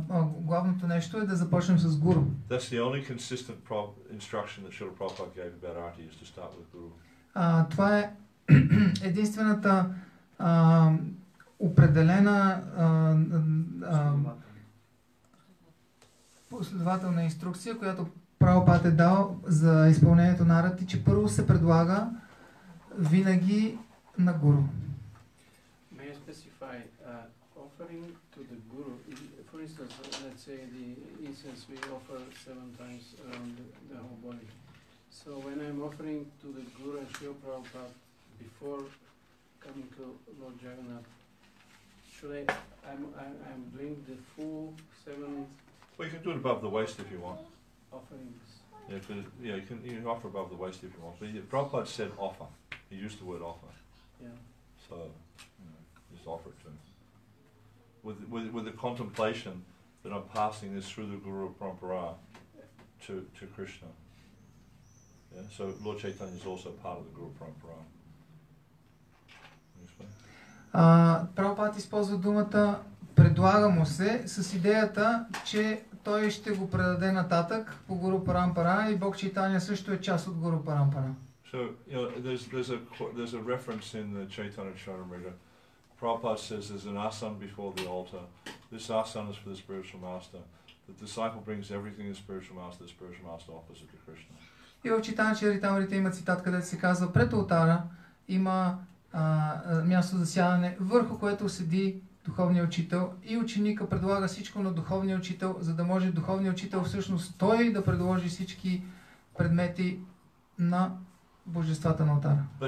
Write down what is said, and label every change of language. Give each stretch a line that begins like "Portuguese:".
Bulgarian: Главното нещо е да започнем с Гуру.
English: That's the only consistent instruction that Srila Prabhupada gave about arti is to start with Guru.
Bulgarian: Това е единствената определена последователна инструкция, която Прабхупад е дал за изпълнението на арати, че първо се предлага винаги на гуру.
English: May I specify offering to the guru, for instance, let's say the incense we offer seven times around the whole body. So when I'm offering to the Guru and Srila Prabhupada before coming to Lord Jagannath, should I'm doing the full seven? Well, you can do it above the waist if you want. Offerings. Yeah, because yeah, you can offer above the waist if you want. But Prabhupada said offer. He used the word offer. Yeah. So you know, just offer it to him. With the contemplation that I'm passing this through the Guru Parampara to Krishna. Yeah, so Lord Chaitanya is also part of the Guru Parampara.
Bulgarian: Prabhupada използва думата предлага му се с идеята, че той ще го предаде нататък по Guru Parampara и Бог Чайтанья също е част от Guru Parampara.
English: So, you know, there's a reference in the Chaitanya Charitamrita. Prabhupada says there's an asana before the altar. This asana is for the spiritual master. The disciple brings everything to the spiritual master offers it to Krishna.
Bulgarian: И в Чайтанья Чаритамрита има цитат, където се казва, пред алтара има място за сядане, върху което седи духовният учител и ученика предлага всичко на духовният учител, за да може духовният учител всъщност той да предложи всички предмети на божествата на алтара.